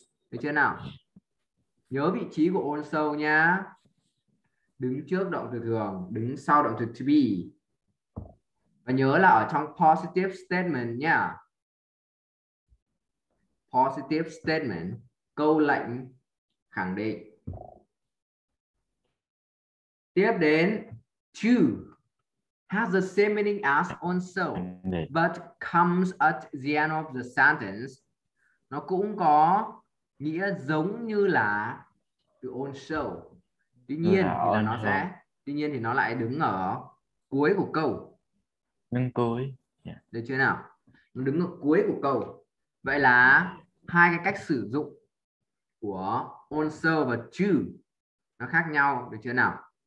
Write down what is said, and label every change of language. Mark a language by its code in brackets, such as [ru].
[vi] Được chưa nào? Nhớ vị trí của also nha. Đứng trước động từ thường, đứng sau động từ to be. Và nhớ là ở trong positive statement nha. Positive statement, câu lệnh khẳng định. Tiếp đến [en] to has the same meaning as also but comes at the end of the sentence. [vi] Nó cũng có nghĩa giống như là từ also. Tuy nhiên thì nó lại đứng ở cuối của câu. Đứng cuối. Được chưa nào? Nó đứng ở cuối của câu. Vậy là hai cái cách sử dụng của also và to nó khác nhau, được chưa nào?